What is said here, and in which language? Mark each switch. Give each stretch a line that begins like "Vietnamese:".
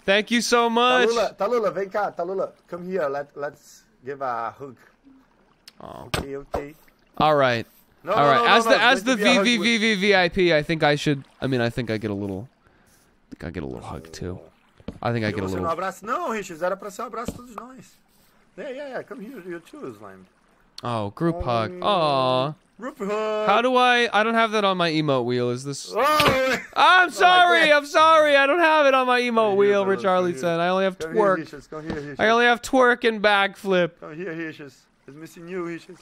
English: Thank you so much.
Portuguese: Talula, vem cá.
English: Talula, come here. Let's give a hug. Oh. Okay. All right. No, all right. No, as the VVVVVIP, I think I get a little hug, too. I think I get a little.
Portuguese: No, Richard, era pra ser abraço todos nós.
English: Yeah, come here, you too, Slime. Oh, group hug. Aww. Group hug. How do I don't have that on my emote wheel. Is this. Oh, I'm sorry, I don't have it on my emote wheel, Rich Arlington. I only have twerk. Come here, I only have twerk and backflip. Come here, Richard. It's missing you, Richard.